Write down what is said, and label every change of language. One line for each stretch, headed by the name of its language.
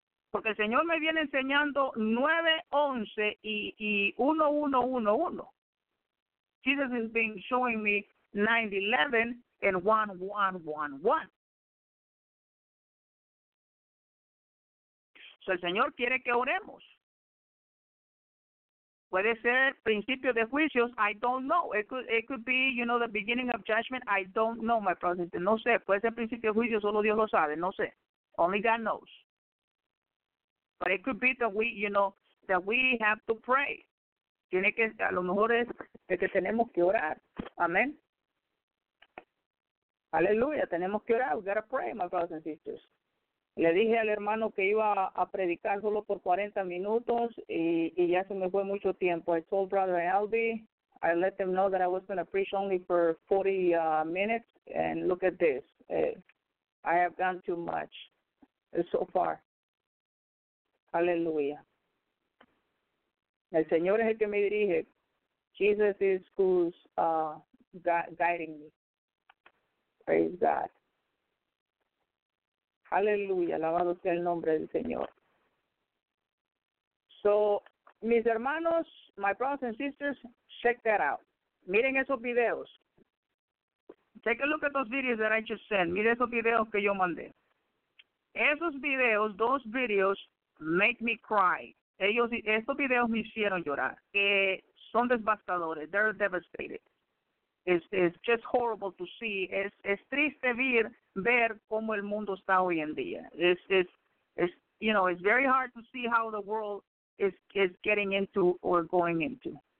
Spanish: Porque el Señor me viene enseñando 9-11 y 1-1-1-1.
English: Jesus has been showing me 9-11 and 1-1-1-1.
Spanish: So el Señor quiere que oremos. Puede ser principio de juicios.
English: I don't know. It could be, the beginning of judgment. I don't know, my brothers.
Spanish: No sé. Puede ser principio de juicios. Solo Dios lo sabe. No sé.
English: Only God knows. But it could be that we have to pray.
Spanish: Tiene que, a lo mejor es de que tenemos que orar. Amén. Aleluya, tenemos que orar.
English: We gotta pray, my brothers and sisters.
Spanish: Le dije al hermano que iba a predicar solo por 40 minutos y ya se me fue mucho tiempo.
English: I told Brother Albi, I let them know that I was going to preach only for 40 minutes, and look at this. I have done too much so far.
Spanish: Aleluya. El Señor es el que me dirige.
English: Jesus is who's guiding me. Praise God.
Spanish: Aleluya, alabado sea el nombre del Señor.
English: So,
Spanish: mis hermanos,
English: my brothers and sisters, check that out.
Spanish: Miren esos videos.
English: Take a look at those videos that I just sent.
Spanish: Miren esos videos que yo mandé. Esos videos,
English: those videos, make me cry.
Spanish: Ellos, estos videos me hicieron llorar. Son devastadores.
English: They're devastated. It's just horrible to see.
Spanish: Es triste ver cómo el mundo está hoy en día.
English: It's you know, it's very hard to see how the world is getting into or going into.